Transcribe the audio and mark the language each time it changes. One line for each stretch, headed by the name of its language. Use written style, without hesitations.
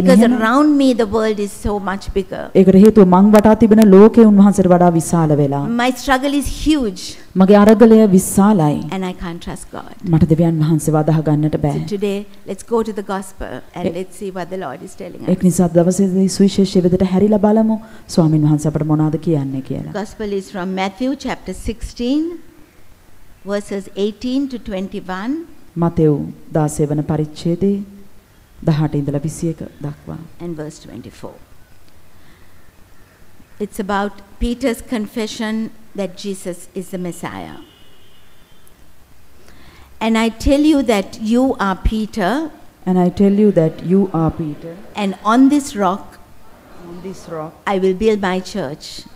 English: Because around me the world is so much bigger.
Sinhala: ඒකට හේතුව මං වටා තිබෙන ලෝකය උන්වහන්සේට වඩා විශාල වෙලා.
English: My struggle is huge.
Sinhala: මගේ අරගලය විශාලයි.
English: And I can't trust God.
Sinhala: මට දෙවියන් වහන්සේව අදහ ගන්නට බෑ.
English: So today let's go to the gospel and let's see what the Lord is telling us.
Sinhala: ඒක නිසා දවසේදී සුවිශේෂී වෙදට හැරිලා බලමු ස්වාමින් වහන්සේ අපට මොනවද කියන්නේ කියලා.
English: Gospel is from Matthew chapter 16 verses 18 to 21.
Sinhala: Matthew 16 වන පරිච්ඡේදයේ 18 ඉඳලා 21 දක්වා.
English: And verse 24. It's about Peter's confession that Jesus is the Messiah. And I tell you that you are Peter. And on this rock I will build my church.